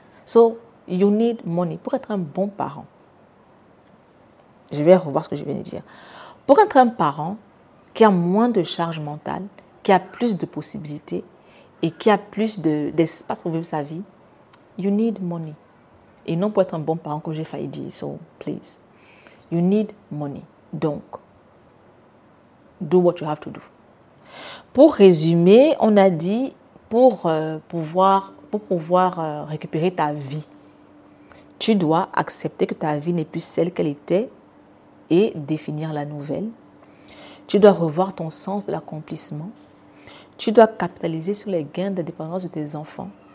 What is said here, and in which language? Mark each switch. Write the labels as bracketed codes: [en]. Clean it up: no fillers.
[en] So, you need money [fr] pour être un bon parent. Je vais revoir ce que je viens de dire. Pour être un parent qui a moins de charge mentale, qui a plus de possibilités et qui a plus d'espace pour vivre sa vie, [en] you need money. [fr] Et non pour être un bon parent comme j'ai failli dire. [en] So, please. You need money. [fr] Donc, [en] do what you have to do. [fr] Pour résumer, on a dit pour pouvoir récupérer ta vie, tu dois accepter que ta vie n'est plus celle qu'elle était et définir la nouvelle. Tu dois revoir ton sens de l'accomplissement. Tu dois capitaliser sur les gains d'indépendance de tes enfants.